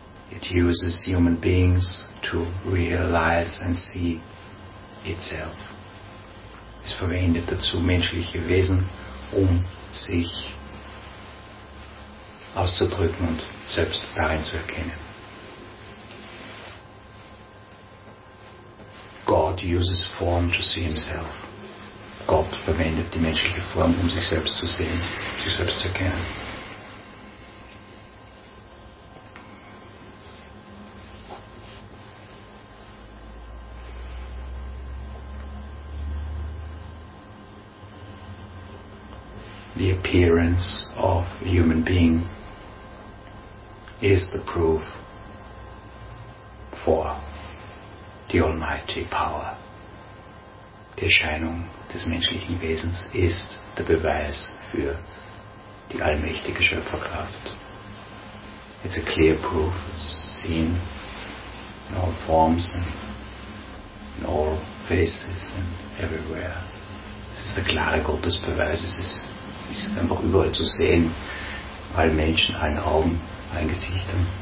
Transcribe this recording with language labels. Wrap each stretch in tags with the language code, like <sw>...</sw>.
<en>It uses human beings to realize and see itself.</en> <de>Es verwendet dazu menschliche Wesen, um sich auszudrücken und selbst darin zu erkennen.</de> <en>God uses form to see himself.</en> <de>Gott verwendet die menschliche Form, um sich selbst zu sehen, sich selbst zu erkennen.</de> <en>The appearance of a human being is the proof for the almighty power.</en> <de>Die Erscheinung des menschlichen Wesens ist der Beweis für die allmächtige Schöpferkraft.</de> <en>It's a clear proof, seen in all forms and in all faces and everywhere.</en> <de>Das ist der klare Gottesbeweis. Es ist, einfach überall zu sehen. Alle Menschen, alle Augen, alle Gesichter.</de>